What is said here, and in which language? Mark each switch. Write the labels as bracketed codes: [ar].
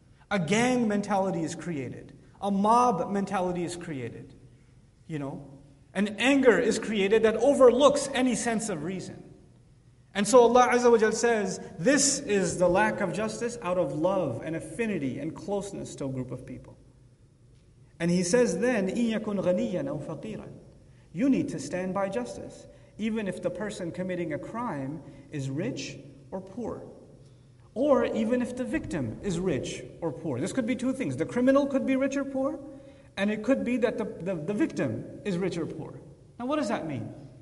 [en] A gang mentality is created. A mob mentality is created. You know? An anger is created that overlooks any sense of reason. And so Allah Azza wa Jalla says, this is the lack of justice out of love and affinity and closeness to a group of people. And He says then, [ar] إِن يَكُنْ غَنِيًّا أَوْ فَقِيرًا. [en] You need to stand by justice, even if the person committing a crime is rich or poor. Or even if the victim is rich or poor. This could be two things. The criminal could be rich or poor, and it could be that the victim is rich or poor. Now what does that mean?